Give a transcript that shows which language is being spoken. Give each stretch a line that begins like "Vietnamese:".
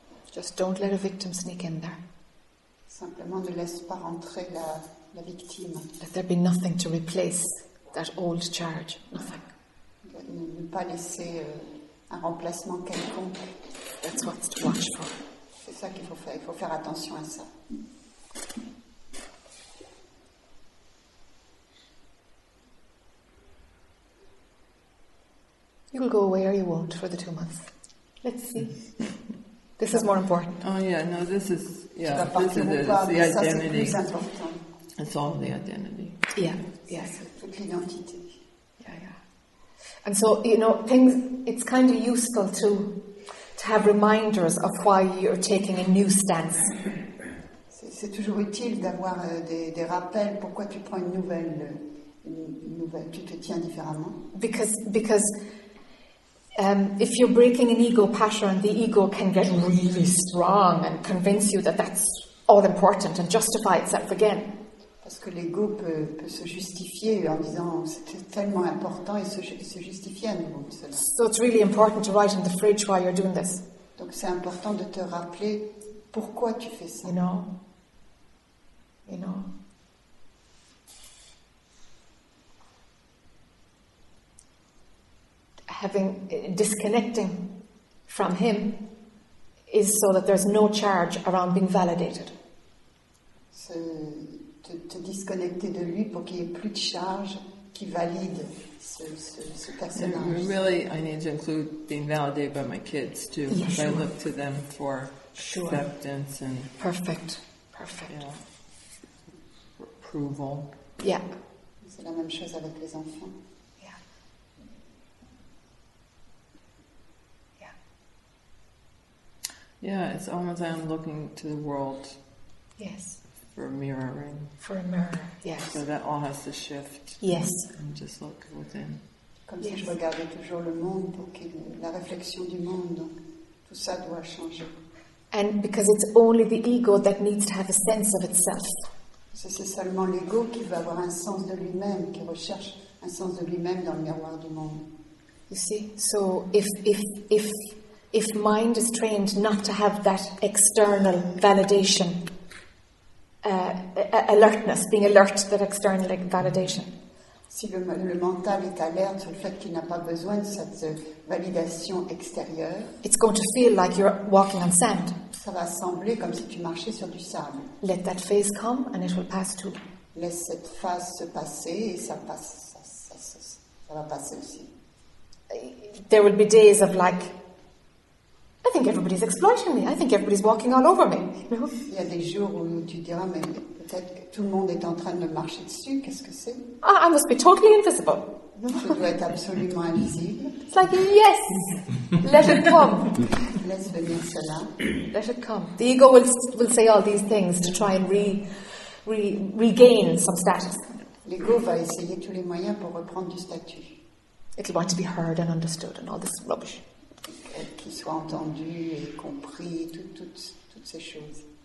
English: Just don't let a victim sneak in there.
French: Simplement ne laisse pas rentrer la victime.
English: Let there be nothing to replace that old charge. Nothing.
French: Ne pas laisser un remplacement quelconque.
English: That's what to watch for.
French: C'est ça qu'il faut faire. Il faut faire attention à ça.
English: You will go away or you won't for the 2 months. Let's see. This is more important. Oh yeah, no, this is the identity. It's all the identity. Yeah. Yes.
French: Toute l'identité.
English: And so, you know, things, it's kind of useful to have reminders of why you're taking a new stance.
French: C'est toujours utile d'avoir des rappels pourquoi tu prends une nouvelle, tu te tiens différemment.
English: Because if you're breaking an ego pattern, the ego can get really strong and convince you that that's all important and justify itself again.
French: Parce que l'ego peut se justifier en disant c'était tellement important et se justifier à nouveau.
English: So it's really important to write in the fridge why you're doing this.
French: Donc c'est important de te rappeler pourquoi tu fais ça.
English: You know. Having disconnecting from him is so that there's no charge around being validated.
French: Te disconnecter de lui pour qu'il n'y ait plus de charge qui valide ce personnage.
English: And really, I need to include being validated by my kids too. Yeah, sure. I look to them for acceptance and perfect. You know, approval. Yeah.
French: C'est la même chose avec les enfants.
English: Yeah. Yeah. Yeah, it's almost like I'm looking to the world. Yes. For a mirror, yes. So that all has to shift. Yes. And just look within.
French: Comme si je regardais toujours le monde pour que la réflexion du monde, donc tout ça doit changer.
English: And because it's only the ego that needs to have a sense of itself.
French: C'est seulement l'ego qui veut avoir un sens de lui-même, qui recherche un sens de lui-même dans le miroir du monde.
English: You see, so if mind is trained not to have that external validation. Alertness, being alert to that external validation.
French: Si le mental est alerte sur le fait qu'il n'a pas besoin de cette validation extérieure,
English: it's going to feel like you're walking on sand.
French: Ça va sembler comme si tu marchais sur du sable.
English: Let that phase come and it will pass too.
French: Laisse cette phase se passer et ça va passer aussi.
English: There will be days of like, I think everybody's exploiting me. I think everybody's walking all over me.
French: Il y a des jours où tu diras, mais peut-être que tout le monde est en train de marcher dessus. Qu'est-ce que c'est?
English: Ah, I must be totally invisible.
French: Je dois être absolument invisible.
English: It's like, yes, let it come.
French: Laisse venir cela.
English: Let it come. The ego will say all these things to try and regain some status.
French: L'ego va essayer tous les moyens pour reprendre du statut.
English: It'll want to be heard and understood and all this rubbish.
French: Qu'il soit entendu et compris, toutes ces choses.